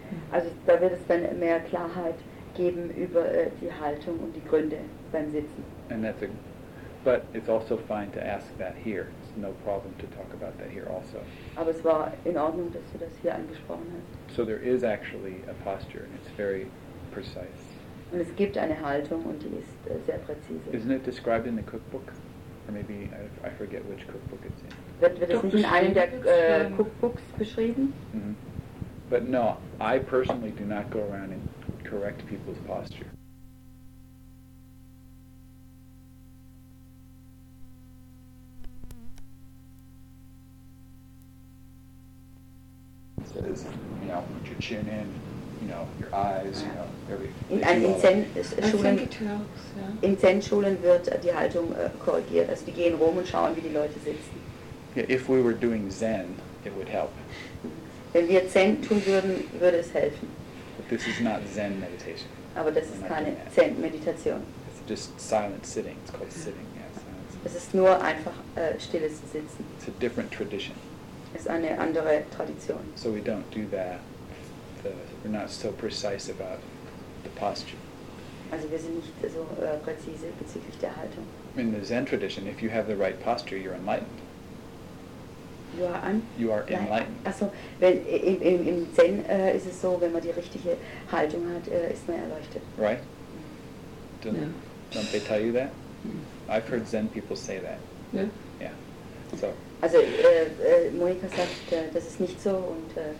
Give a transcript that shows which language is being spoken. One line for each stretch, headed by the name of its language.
German: Also da wird es dann mehr Klarheit geben über die Haltung und die Gründe beim Sitzen.
English: And that's a, but it's also fine to ask that here. It's no problem to talk about that here also.
German: Aber es war in Ordnung, dass du das hier angesprochen hast.
English: So there is actually a posture and it's very precise.
German: Und es gibt eine Haltung und die ist sehr präzise.
English: Isn't it described in the cookbook? Or maybe I forget which cookbook it's in.
German: Wird es nicht in einem der Cookbooks beschrieben? Mm-hmm.
English: But no, I personally do not go around and correct people's posture. It says, you know, put your chin in. You know, your eyes, you know,
German: in Zen-Schulen
English: yeah.
German: in Zen-Schulen wird die Haltung korrigiert. Also die gehen rum und schauen, wie die Leute sitzen.
English: Yeah, if we were doing Zen, it would help.
German: Wenn wir Zen tun würden, würde es helfen.
English: But this is not Zen meditation.
German: Aber das ist keine Zen-Meditation.
English: It's just silent sitting. It's called sitting. Yeah, silent.
German: Es ist nur einfach stilles Sitzen.
English: It's a different tradition.
German: Es ist eine andere Tradition.
English: So we don't do that. We're not so precise about the posture.
German: Also wir sind nicht so präzise bezüglich der Haltung.
English: In the Zen tradition, if you have the right posture, you're enlightened. You are enlightened.
German: Also wenn im Zen ist es so, wenn man die richtige Haltung hat, ist man erleuchtet.
English: Right? Don't they tell you that? Mm. I've heard Zen people say that. Yeah. Yeah. So.
German: Also Monika sagt, das ist nicht so und.